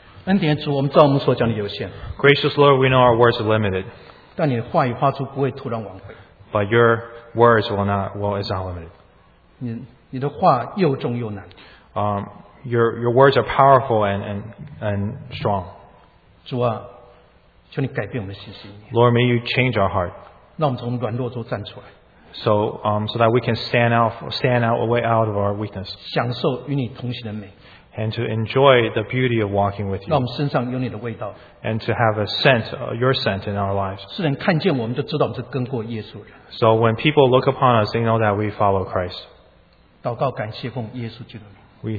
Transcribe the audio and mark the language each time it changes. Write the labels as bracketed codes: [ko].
[zh] 恩典主，我们知道我们所讲的有限。 [en] Gracious Lord, we know our words are limited. [zh] 但你的话语话出不会突然往回。 [en] But your words is not limited. [zh] 你的话又重又难。 [en] Your words are powerful and strong. [zh] 主啊。求你改变我们的信心。 [en] Lord, may you change our heart. [zh] 让我们从软弱中站出来。 [en] So that we can stand out a way out of our weakness. [zh] 享受与你同行的美。 [en] And to enjoy the beauty of walking with you. [zh] 让我们身上有你的味道。 [en] And to have a scent, your scent in our lives. [zh] 世人看见我们就知道我们是跟过耶稣人。 [en] So when people look upon us, they know that we follow Christ. [zh] 祷告感谢奉耶稣基督的名。